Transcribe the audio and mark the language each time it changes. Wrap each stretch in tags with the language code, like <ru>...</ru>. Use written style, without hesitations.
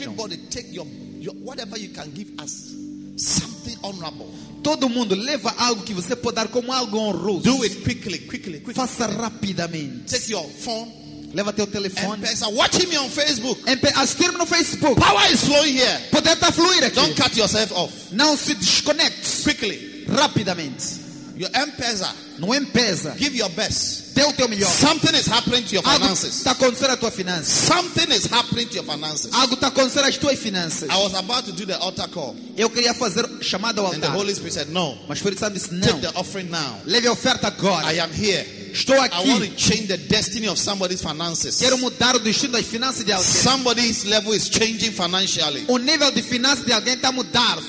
<en>Everybody take your whatever you can give us something honorable.</en> <pt>Todo mundo leva algo que você pode dar como algo honroso.</pt> <en>Do it quickly.</en> <pt>Faça rapidamente.</pt> <en>Take your phone.</en> <pt>Leva teu telefone.</pt> <en>Empeça, watching me on Facebook.</en> <pt>Assistir-me no Facebook.</pt> <en>Power is flowing here.</en> <pt>Poder está fluir aqui.</pt> <en>Don't cut yourself off.</en> <pt>Não se desconecte.</pt> <en>Quickly.</en> <pt>Rapidamente.</pt> <en>Your empeza.</en> <pt>No empeza.</pt> <en>Give your best.</en> <pt>Dê o teu melhor.</pt> <en>Something is happening to your finances.</en> <pt>Está acontecendo a tua finança.</pt> <en>Something is happening to your finances.</en> <pt>Algo está acontecendo às tuas finanças.</pt> <en>I was about to do the altar call.</en> <pt>Eu queria fazer chamada ao altar.</pt> <en>And the Holy Spirit said no.</en> <pt>Mas o Espírito Santo disse não.</pt> <en>Take the offering now.</en> <pt>Leve a oferta agora.</pt> <en>I am here.</en> <pt>Estou aqui.</pt> <en>I want to change the destiny of somebody's finances.</en> <pt>Quero mudar o destino das finanças de alguém.</pt> <en>Somebody's level is changing financially.</en> <pt>O nível de finanças de alguém está mudando.</pt>